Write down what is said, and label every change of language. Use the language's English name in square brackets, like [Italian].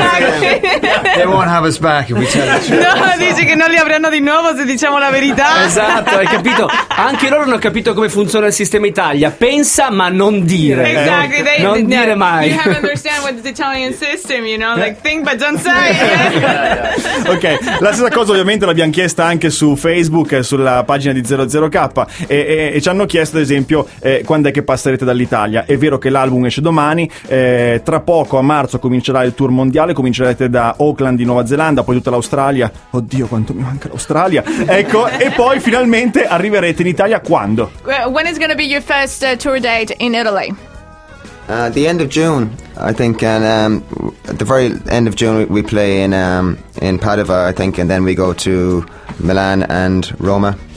[English] They won't have us back if we tell the truth. [Italian] No, dice che non li avranno di nuovo se diciamo la verità. Esatto, hai capito? Anche loro hanno capito come funziona il sistema Italia. Pensa ma non dire. [English] Exactly. They, [Italian] non [English] they, [Italian] dire mai. [English] You have to understand what the Italian system, you know? Like, think but don't say. [Italian] Ok, la stessa cosa ovviamente l'abbiamo chiesta anche su Facebook, sulla pagina di 00K, e ci hanno chiesto ad esempio quando è che passerete dall'Italia. È vero che l'album esce domani, tra poco a marzo comincerà il tour mondiale, comincerete da Auckland in Nuova Zelanda, poi tutta l'Australia, oddio quanto mi manca l'Australia, ecco, e poi finalmente arriverete in Italia quando? [English] When is going to be your first tour date in Italy? The end of June, I think, and at the very end of June we play in Padova, I think, and then we go to Milan and Roma.